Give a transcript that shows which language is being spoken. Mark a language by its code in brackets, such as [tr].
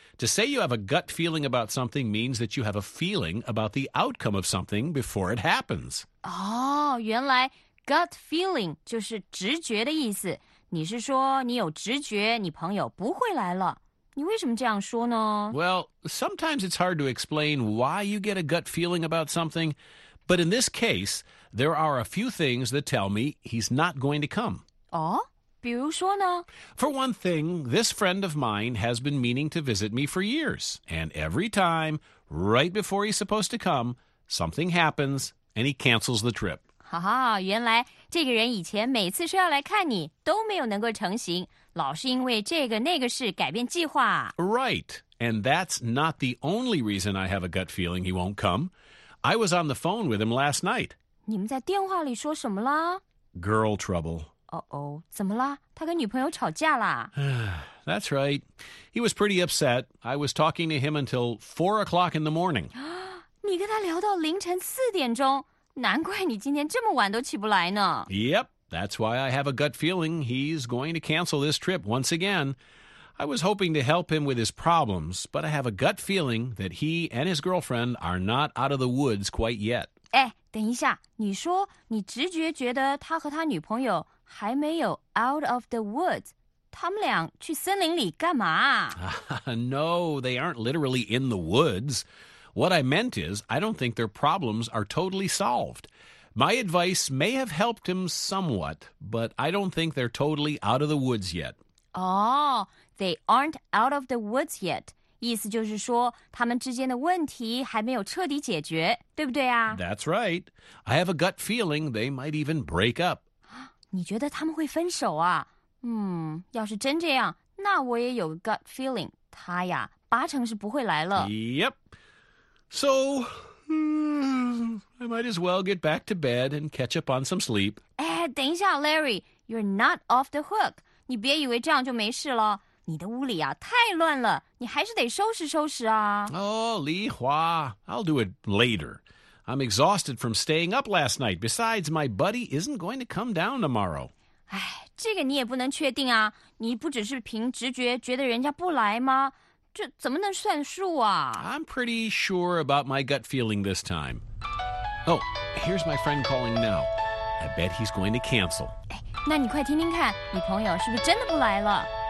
[en] To say you have a gut feeling about something means that you have a feeling about the outcome of something before it happens. [zh] Oh, 原来 gut feeling 就是直觉的意思。你是说你有直觉你朋友不会来了。你为什么这样说呢？ [en] Well, sometimes it's hard to explain why you get a gut feeling about something. But in this case, there are a few things that tell me he's not going to come. [zh] Oh? 比如说呢? [en] For one thing, this friend of mine has been meaning to visit me for years. And every time, right before he's supposed to come, something happens and he cancels the trip. [zh] 哈哈，原来这个人以前每次说要来看你都没有能够成行，老是因为这个那个事改变计划。 [en] Right. And that's not the only reason I have a gut feeling he won't come. I was on the phone with him last night. [zh] 你们在电话里说什么了? [en] Girl trouble. [zh] 怎么了？他跟女朋友吵架啦。 [en] That's right. He was pretty upset. I was talking to him until 4 o'clock in the morning. [zh] 你跟他聊到凌晨4点钟，难怪你今天这么晚都起不来呢。 [en] Yep, that's why I have a gut feeling he's going to cancel this trip once again. I was hoping to help him with his problems, but I have a gut feeling that he and his girlfriend are not out of the woods quite yet. [zh] 哎，等一下，你说你直觉觉得他和他女朋友。还没有 [en] out of the woods, [zh] 他们俩去森林里干嘛？ [en] No, they aren't literally in the woods. What I meant is, I don't think their problems are totally solved. My advice may have helped him somewhat, but I don't think they're totally out of the woods yet. Oh, they aren't out of the woods yet. [zh] 意思就是说他们之间的问题还没有彻底解决，对不对啊？ [en] That's right. I have a gut feeling they might even break up. [zh] 你觉得他们会分手啊？要是真这样，那我也有个 gut feeling， 他呀，八成是不会来了。 [en] Yep. So, I might as well get back to bed and catch up on some sleep. [zh] 哎，等一下 [en] ，Larry， you're not off the hook. [zh] 你别以为这样就没事了。你的屋里啊，太乱了，你还是得收拾收拾啊。 [en] Oh, Li Hua, I'll do it later. I'm exhausted from staying up last night. Besides, my buddy isn't going to come down tomorrow. [zh] 哎，这个你也不能确定啊。你不只是凭直觉觉得人家不来吗？这怎么能算数啊？ [en] I'm pretty sure about my gut feeling this time. Oh, here's my friend calling now. I bet he's going to cancel. [zh] 哎，那你快听听看，你朋友是不是真的不来了？